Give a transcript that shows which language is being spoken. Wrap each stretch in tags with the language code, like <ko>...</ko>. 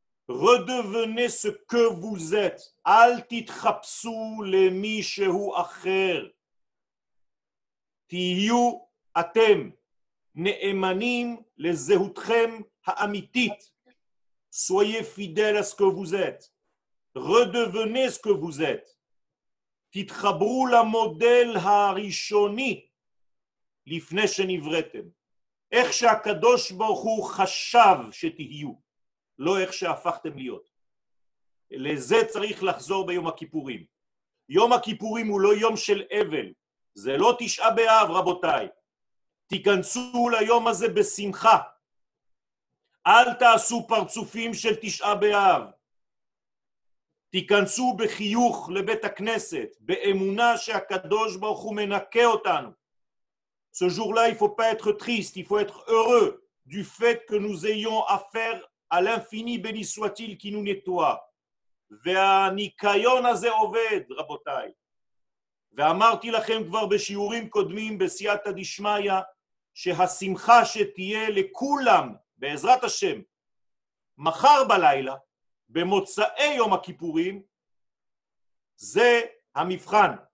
<fr>Redevenez ce que vous êtes.</fr> <he>אל תתחפשו למי שהוא אחר. תהיו אתם נאמנים לזהותכם האמיתית.</he> <fr>Soyez fidèles à ce que vous êtes. Redevenez ce que vous êtes.</fr> <he>תתחברו למודל הראשוני לפני שנבראתם. איך שהקדוש ברוך הוא חשב שתהיו, לא איך שהפכתם להיות. לזה צריך לחזור ביום הכיפורים. יום הכיפורים הוא לא יום של אבל. זה לא תשעה באב, רבותיי. תיכנסו ליום הזה בשמחה. אל תעשו פרצופים של תשעה באב. תיכנסו בחיוך לבית הכנסת, באמונה שהקדוש ברוך הוא מנקה אותנו.</he> <fr>Ce jour-là, il faut pas être triste, il faut être heureux du fait que nous ayons affaire à l'infini béni soit-il qui nous nettoie.</fr> <he>והניקיון הזה עובד, רבותיי. ואמרתי לכם כבר בשיעורים קודמים בסייעתא דשמיא שהשמחה שתהיה לכולם בעזרת השם מחר בלילה במוצאי יום הכיפורים זה המבחן.</he>